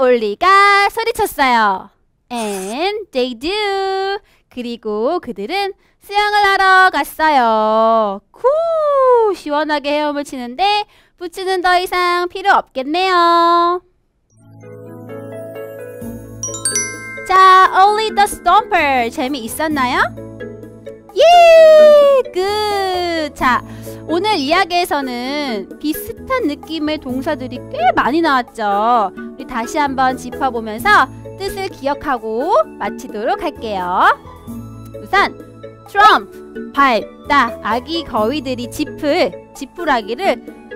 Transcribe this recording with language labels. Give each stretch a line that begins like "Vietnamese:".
Korean: Ollie가 소리쳤어요.
English: And they do!
Korean: 그리고 그들은 수영을 하러 갔어요. 후! 시원하게 헤엄을 치는데 부츠는 더 이상 필요 없겠네요. 자, Ollie the Stomper 재미있었나요? 예!
English: Good!
Korean: 자, 오늘 이야기에서는 비슷한 느낌의 동사들이 꽤 많이 나왔죠. 우리 다시 한번 짚어보면서 뜻을 기억하고 마치도록 할게요. 우선 Trump, 밟다, 아기 거위들이 짚을, 짚으라기를